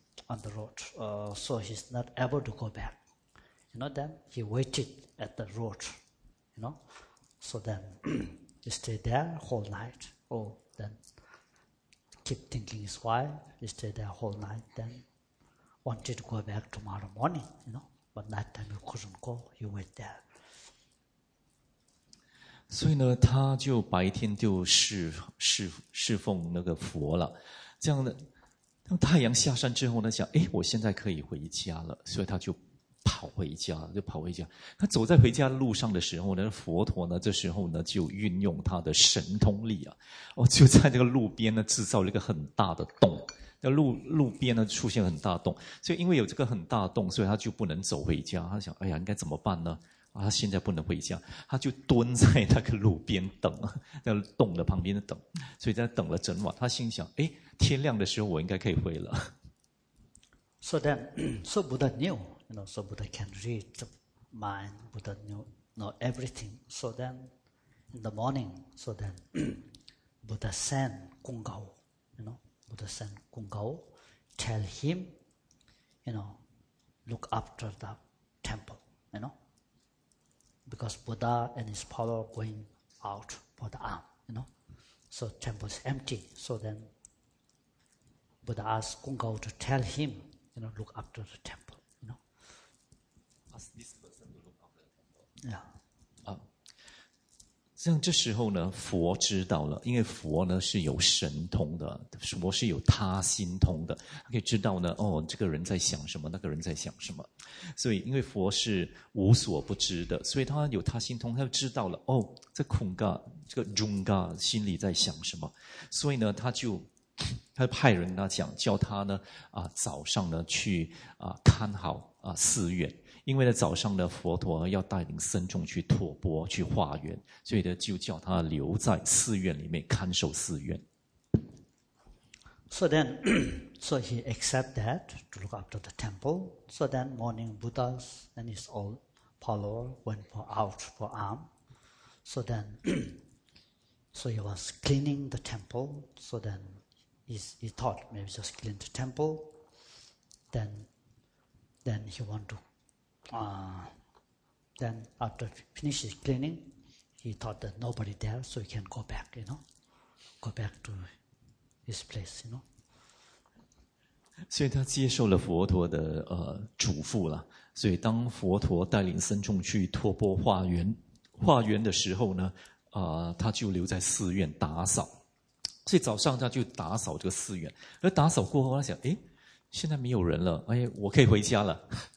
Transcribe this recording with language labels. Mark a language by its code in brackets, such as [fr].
[en] On the road. So he's not able to go back. You know, then he waited at the road, you know. So then he stayed there whole night. Oh, then keep thinking his wife, he stayed there whole night, then. Wanted to go back tomorrow morning, you know, but that time he couldn't go. He went there. [zh] 所以呢，他就白天就侍奉那个佛了。这样的，当太阳下山之后呢，想，哎，我现在可以回家了。所以他就跑回家，就跑回家。他走在回家的路上的时候呢，佛陀呢，这时候呢，就运用他的神通力啊，哦，就在这个路边呢，制造了一个很大的洞。路边呢出现很大洞，所以因为有这个很大洞，所以他就不能走回家。他想，哎呀，应该怎么办呢？啊，他现在不能回家，他就蹲在那个路边等，那洞的旁边等，所以在等了整晚。他心想，哎，天亮的时候我应该可以回了。 [en] So then, so Buddha knew, you know, so Buddha can read the mind. Buddha knew know everything. So then, in the morning, so then, Buddha sent Gong Gao, you know. Buddha sent Gong Gao, tell him, you know, look after the temple, you know, because Buddha and his power going out for the arm, you know, so temple is empty. So then Buddha asked Gong Gao to tell him, you know, look after the temple, you know. Ask this person to look after the temple. Yeah. [zh] 像这时候呢，佛知道了，因为佛呢是有神通的，佛是有他心通的，他可以知道呢，哦，这个人在想什么，那个人在想什么，所以因为佛是无所不知的，所以他有他心通，他就知道了，哦，这空嘎，这个中嘎心里在想什么，所以呢，他就派人呢讲，叫他呢啊早上呢去啊看好啊寺院。因为呢早上呢佛陀要带领僧众去托钵去化缘，所以呢就叫他留在寺院里面看守寺院。 [en] So then, so he accept that to look after the temple. So then morning Buddha and his old follower went out for arm. So then, so he was cleaning the temple. So then he thought maybe just clean the temple. Then he want to. Then after finishes cleaning, he thought that nobody there, so he can go back, you know, go back to his place, you know. [zh] 所以他接受了佛陀的嘱咐了。所以当佛陀带领僧众去托钵化缘的时候呢，他就留在寺院打扫。所以早上他就打扫这个寺院，而打扫过后，他想，哎，现在没有人了，哎，我可以回家了。